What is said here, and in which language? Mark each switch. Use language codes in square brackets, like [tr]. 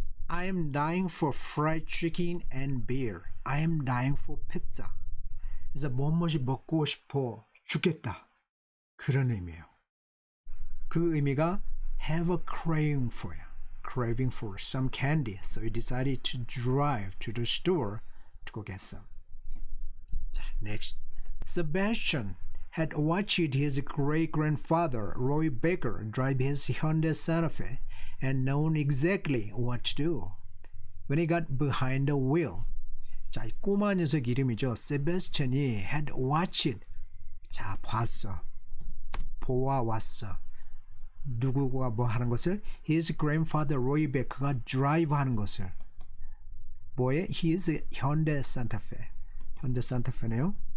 [en] 'I am dying for fried chicken and beer. I am dying for pizza. [ko] 그래서 무엇이 먹고 싶어 죽겠다. 그런 의미예요. 그 의미가 [en] have a craving for you. Craving for some candy. So he decided to drive to the store to go get some. [ko] 자, [en] next. Sebastian had watched his great-grandfather Roy Baker drive his Hyundai Santa Fe and known exactly what to do. When he got behind the wheel, [ko] 자, 이 꼬마 녀석 이름이죠. 세베스천이 [en] had watched. [ko] 자, 봤어. 보아왔어. 누구가 뭐 하는 것을? [en] His grandfather [ko] Roy Beck가 [en] drive [ko] 하는 것을. 뭐에? [en] His [ko] 현대 산타페. 현대 산타페네요.